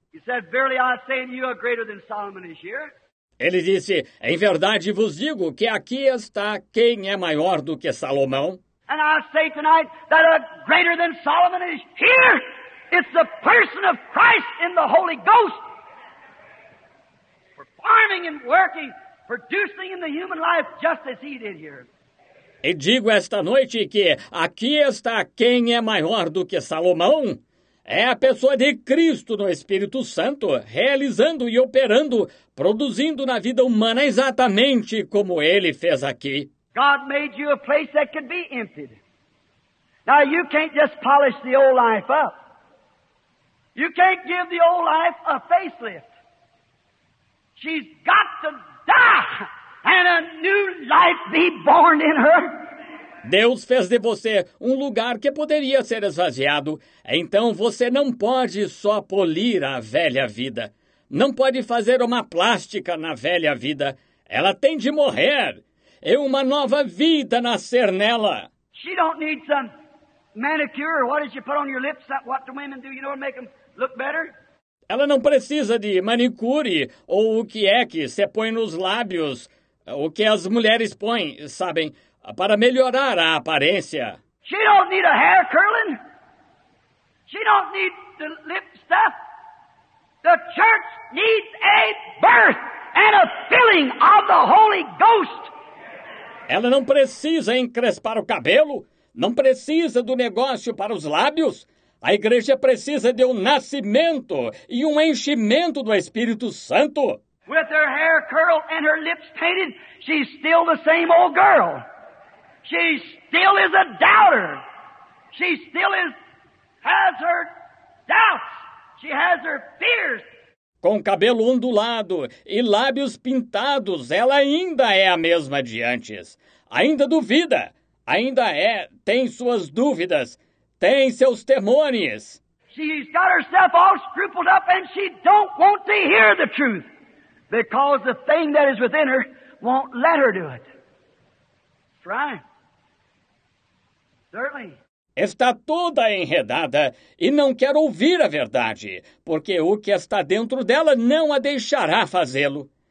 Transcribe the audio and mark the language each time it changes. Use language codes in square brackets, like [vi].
[en] He said, verily I say unto you, are greater than Solomon is here. [pt] Ele disse, em verdade vos digo que aqui está quem é maior do que Salomão. [en] And I say tonight that a greater than Solomon is here. It's the person of Christ in the Holy Ghost. Farming and working, producing in the human life just as he did here. [pt] E digo esta noite que aqui está quem é maior do que Salomão. É a pessoa de Cristo no Espírito Santo, realizando e operando, produzindo na vida humana exatamente como ele fez aqui. [en] God made you a place that could be emptied. Now, you can't just polish the old life up. You can't give the old life a facelift. She's got to die and a new life be born in her. [pt] Deus fez de você lugar que poderia ser esvaziado. Então você não pode só polir a velha vida. Não pode fazer uma plástica na velha vida. Ela tem de morrer. É uma nova vida nascer nela. [en] She don't need some manicure. What did you put on your lips? What do women do, you know, to make them look better? [pt] Ela não precisa de manicure ou o que é que se põe nos lábios, o que as mulheres põem, sabem, para melhorar a aparência. [en] She don't need a hair curling. She don't need the lip stuff. The church needs a birth and a filling of the Holy Ghost. [pt] Ela não precisa encrespar o cabelo, não precisa do negócio para os lábios. A igreja precisa de um nascimento e um enchimento do Espírito Santo. [en] With her hair curled and her lips painted, she's still the same old girl. She still is a doubter. She still has her doubts. She has her fears. [pt] Com cabelo ondulado e lábios pintados, ela ainda é a mesma de antes. Ainda duvida. Ainda é, tem suas dúvidas. Tem seus temores. [en] She's got herself all scrupled up and she don't want to hear the truth. Because the thing that is within her won't let her do it. That's right. Certainly. [pt] Está toda enredada e não quer ouvir a verdade, porque o que está dentro dela não a deixará fazê-lo.